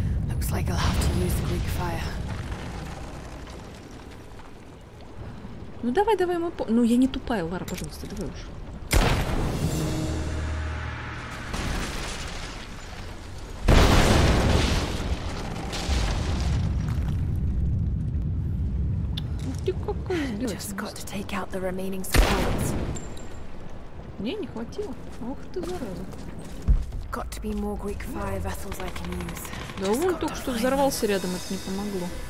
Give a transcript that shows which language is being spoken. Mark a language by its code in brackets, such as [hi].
[en] Looks like I'll have to use the Greek fire. [ru] Ну давай, давай, мы по... Ну я не тупая, Лара, пожалуйста, давай уж. [en] Just got to take out the remaining supplies. [ru] Мне не хватило. Ох ты, зараза. [en] Got to be more Greek fire vessels I can use. [ru] Да он только что взорвался рядом, это не помогло.